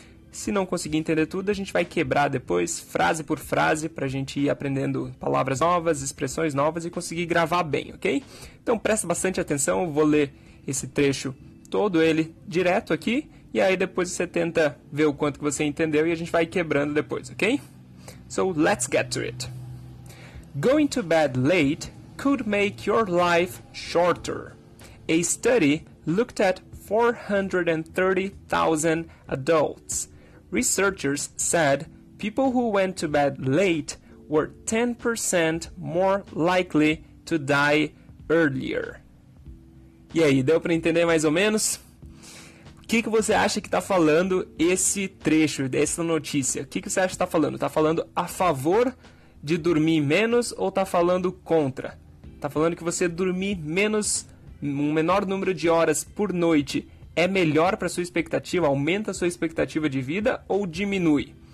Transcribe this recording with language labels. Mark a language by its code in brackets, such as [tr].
[pt] Se não conseguir entender tudo, a gente vai quebrar depois, frase por frase, para a gente ir aprendendo palavras novas, expressões novas e conseguir gravar bem, ok? Então presta bastante atenção, eu vou ler esse trecho todo ele direto aqui, e aí depois você tenta ver o quanto que você entendeu e a gente vai quebrando depois, ok? [en] So let's get to it. Going to bed late could make your life shorter. A study looked at 430,000 adults. Researchers said people who went to bed late were 10% more likely to die earlier. [pt] E aí, deu para entender mais ou menos? O que que você acha que está falando esse trecho, dessa notícia? O que que você acha que está falando? Está falando a favor de dormir menos ou está falando contra? Está falando que você dormir menos, um menor número de horas por noite é melhor para sua expectativa, aumenta sua expectativa de vida ou diminui?